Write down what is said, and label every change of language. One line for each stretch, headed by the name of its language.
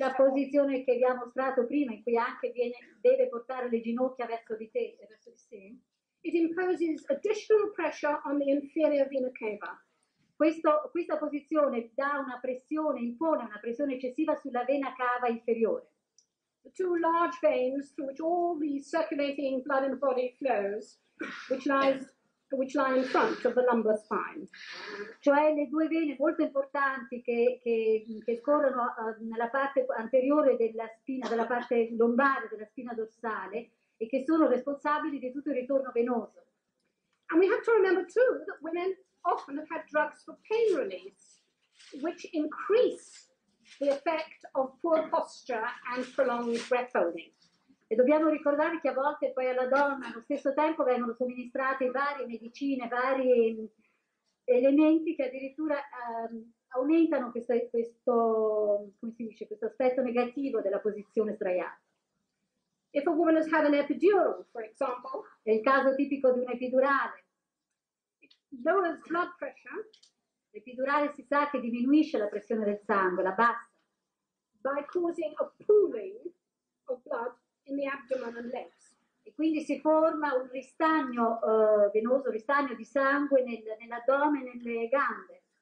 Italian: la posizione che vi ha mostrato prima, in cui anche viene, deve portare le ginocchia verso di te, verso di sé.
English: It imposes additional pressure on the inferior vena cava.
Italian: Questa posizione dà una pressione, impone una pressione eccessiva sulla vena cava inferiore.
English: The two large veins through which all the circulating blood in the body flows, which lie in front of the lumbar spine.
Italian: Cioè le due vene molto importanti che scorrono nella parte anteriore della spina, della parte lombare della spina dorsale, e che sono responsabili di tutto il ritorno venoso.
English: And we have to remember too that women often have had drugs for pain release, which increase the effect of poor posture and prolonged breath holding.
Italian: E dobbiamo ricordare che a volte poi alla donna allo stesso tempo vengono somministrate varie medicine, vari elementi che addirittura aumentano questo come si dice, questo aspetto negativo della posizione sdraiata.
English: If a woman has had an epidural, for example,
Italian: è il caso tipico di un'epidurale.
English: Lowers blood pressure.
Italian: L'epidurale si sa che diminuisce la pressione del sangue, la bassa.
English: By causing a pooling of blood in the abdomen and legs.
Italian: E quindi si forma un ristagno venoso, ristagno di sangue nell'addome e nelle gambe.